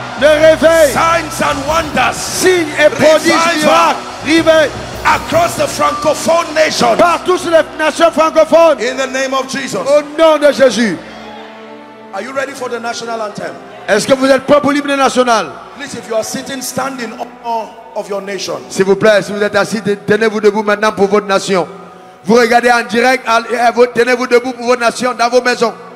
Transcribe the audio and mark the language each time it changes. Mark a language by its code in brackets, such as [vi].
[fr] le réveil, le réveil. [en] Signs and wonders, [fr] signes et prodiges, revival, [en] across the francophone nations, [fr] partout sur les nations francophones. [en] In the name of Jesus. [fr] Au nom de Jésus. [en] Are you ready for the national anthem? [fr] Est-ce que vous êtes prêt pour l'hymne national? [en] Please, if you are sitting, standing of your nation. [fr] S'il vous plaît, si vous êtes assis, tenez-vous debout maintenant pour votre nation. Vous regardez en direct, tenez-vous debout pour votre nation dans vos maisons.